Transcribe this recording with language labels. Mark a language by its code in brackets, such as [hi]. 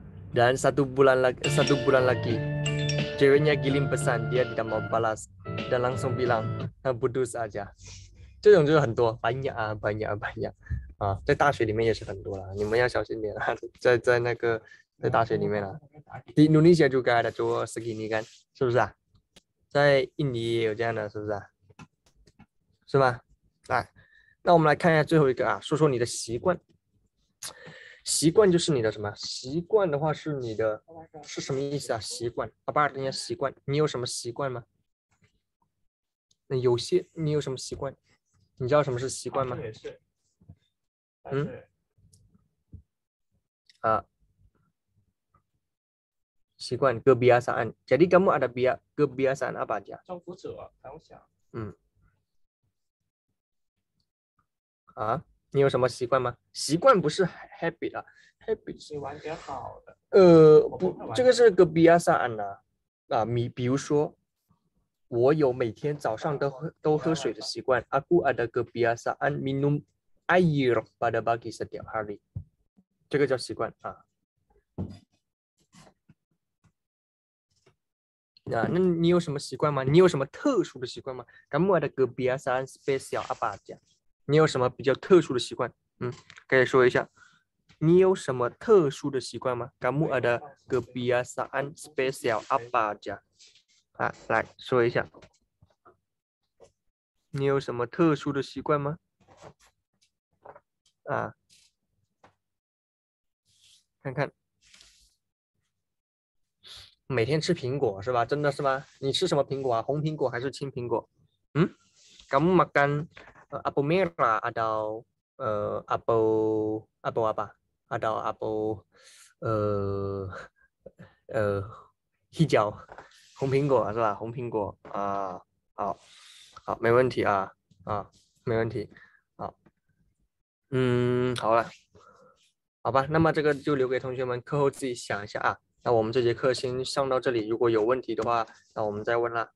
[id] Dan satu bulan lagi, ceweknya giling pesan, dia tidak mau balas dan langsung bilang, putus aja. [zh] 这种就是很多， [id] banyak. [zh] 啊，在大学里面也是很多了，你们要小心点啊，在大学里面啊。 [id] Di Indonesia juga ada cowok segini kan， [zh] 是不是啊？在印尼也有这样的，是不是啊？是吗？来，那我们来看一下最后一个啊，说说你的习惯。习惯就是你的什么？习惯的话是你的是什么意思啊？习惯，阿巴尔丁，习惯，你有什么习惯吗？那有些你有什么习惯？你知道什么是习惯吗？也是。嗯。啊。习惯 ， [id] kebiasaan。 Jadi kamu ada kebiasaan apa aja？ [zh] 照顾者，还有啥？嗯。啊。你有什么习惯吗？习惯不是 habit 啊， habit 是玩点好的。不，这个是个 [id] kebiasaan [zh] 啊。啊，比如说，我有每天早上都喝水的习惯。 [id] Aku ada kebiasaan minum air pada pagi setiap hari。 [zh] 这个叫习惯啊。啊，那你有什么习惯吗？你有什么特殊的习惯吗？ [id] Kamu ada kebiasaan spesial apa aja？ [zh] 你有什么比较特殊的习惯？可以说一下。你有什么特殊的习惯吗 ？ [id] Kamu ada kebiasaan spesial apa aja？ [zh] 啊，来说一下。你有什么特殊的习惯吗？啊，看看，每天吃苹果是吧？真的是吗？你吃什么苹果啊？红苹果还是青苹果？ [id] 嗯 ，kamu makan apple merah atau apple apa atau apple hijau [zh] 红苹果是吧？红苹果啊，好，好，没问题啊，啊，没问题，好，嗯，好了。好吧，那么这个就留给同学们课后自己想一下啊。那我们这节课先上到这里，如果有问题的话，那我们再问啦。